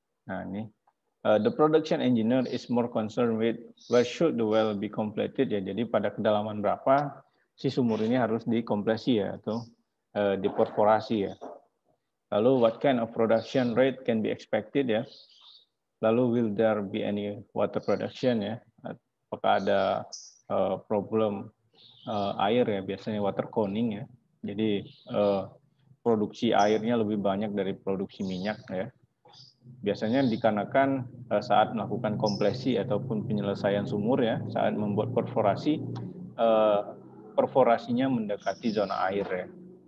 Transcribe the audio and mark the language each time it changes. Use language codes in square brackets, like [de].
[id] Nah ini [en] the production engineer is more concerned with where should the well be completed ya. [id] Jadi pada kedalaman berapa si sumur ini harus dikompresi ya atau diperforasi ya. [en] Lalu what kind of production rate can be expected ya. Lalu will there be any water production ya? [id] Apakah ada problem air ya? Biasanya water coning ya. Jadi produksi airnya lebih banyak dari produksi minyak ya. Biasanya dikarenakan saat melakukan kompresi ataupun penyelesaian sumur ya, saat membuat perforasi, perforasinya mendekati zona air ya.